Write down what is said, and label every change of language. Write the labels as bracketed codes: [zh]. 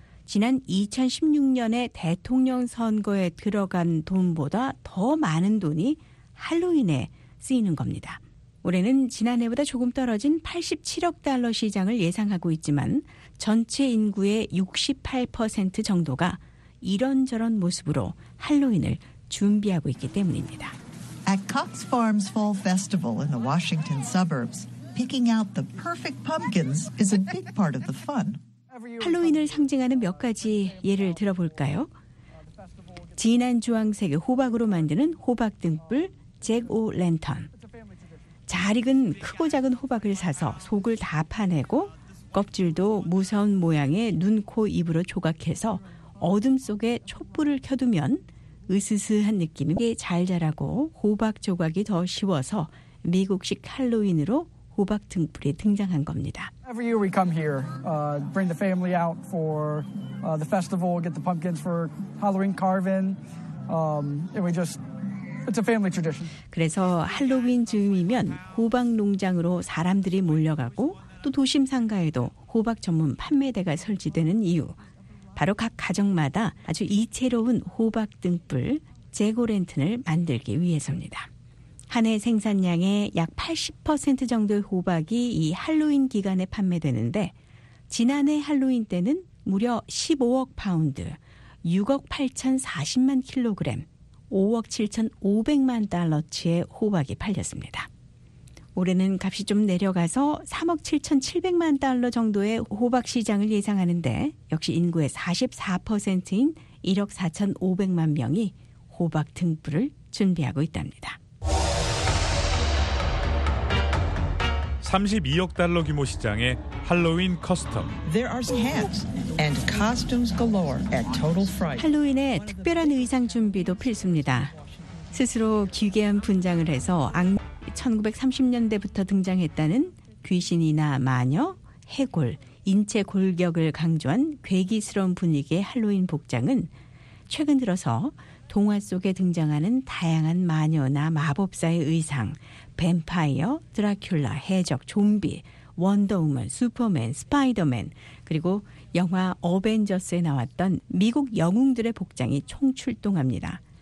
[ko] 지난 2016년에 대통령 선거에 들어간 돈보다 더 많은 돈이 할로윈에 쓰이는 겁니다. 올해는 지난해보다 조금 떨어진 87억 달러 시장을 예상하고 있지만 전체 인구의 68% 정도가 이런저런 모습으로 할로윈을 준비하고 있기 때문입니다. [en] At Cox Farms Fall Festival in the Washington suburbs, picking out the perfect pumpkins is a big part of the fun. [ko] 할로윈을 상징하는 몇 가지 예를 들어볼까요? 진한 주황색의 호박으로 만드는 호박 등불 잭 오 랜턴. 잘 익은 크고 작은 호박을 사서 속을 다 파내고 껍질도 무서운 모양의 눈, 코, 입으로 조각해서 어둠 속에 촛불을 켜두면 으스스한 느낌이 잘 자라고 호박 조각이 더 쉬워서 미국식 할로윈으로 호박 등불이 등장한 겁니다. [en] Every year we come here, bring the family out for the festival, get the pumpkins for Halloween carving, and we just it's a family tradition. [ko] 그래서 할로윈 즈음이면 호박 농장으로 사람들이 몰려가고 또 도심 상가에도 호박 전문 판매대가 설치되는 이유. 바로 각 가정마다 아주 이채로운 호박 등불, 제고랜턴을 만들기 위해서입니다. 한해 생산량의 약 80% 정도의 호박이 이 할로윈 기간에 판매되는데 지난해 할로윈 때는 무려 15억 파운드, 6억 8,040만 킬로그램, 5억 7,500만 달러치의 호박이 팔렸습니다. 올해는 값이 좀 내려가서 3억 7,700만 달러 정도의 호박 시장을 예상하는데 역시 인구의 44%인 1억 4,500만 명이 호박 등불을 준비하고 있답니다. 32억 달러 규모 시장의 할로윈 커스텀. [en] There are hats and costumes galore at Total Fright. [ko] 할로윈에 특별한 의상 준비도 필수입니다. 스스로 기괴한 분장을 해서 1930년대부터 등장했다는 귀신이나 마녀, 해골, 인체 골격을 강조한 괴기스러운 분위기의 할로윈 복장은 최근 들어서 동화 속에 등장하는 다양한 마녀나 마법사의 의상, 뱀파이어, 드라큘라, 해적, 좀비, 원더우먼, 슈퍼맨, 스파이더맨, 그리고 영화 어벤져스에 나왔던 미국 영웅들의 복장이 총출동합니다.